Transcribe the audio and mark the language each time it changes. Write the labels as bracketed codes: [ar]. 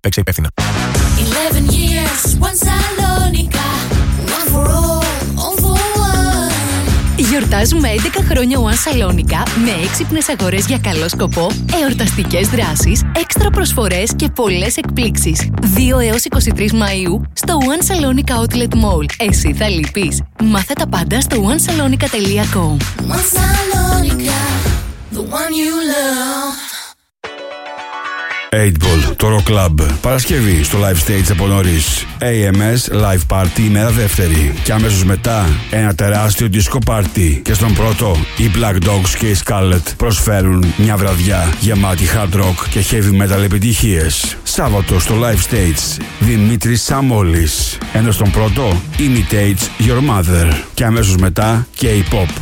[el] Παίξε υπεύθυνα. [en] 11 years, one Salonica. One for all for one. [el] Γιορτάζουμε 11 χρόνια One Salonica με έξυπνες αγορές για καλό σκοπό, εορταστικές δράσεις, έξτρα προσφορές και πολλές εκπλήξεις. 2 έως 23 Μαΐου στο One Salonica Outlet Mall. Εσύ θα λυπείς. Μάθε τα πάντα στο onesalonica.com. [en] One Salonica, the one you love. [el] 8-Ball, το Rock Club. Παρασκευή στο Live Stage από νωρίς. AMS Live Party, ημέρα δεύτερη. Και αμέσως μετά, ένα τεράστιο disco party. Και στον πρώτο, οι Black Dogs και οι Scarlet προσφέρουν μια βραδιά γεμάτη hard rock και heavy metal επιτυχίες. Σάββατο στο Live Stage, Δημήτρης Σαμόλης. Ενώ στον πρώτο, Imitates Your Mother. Και αμέσως μετά, K-Pop.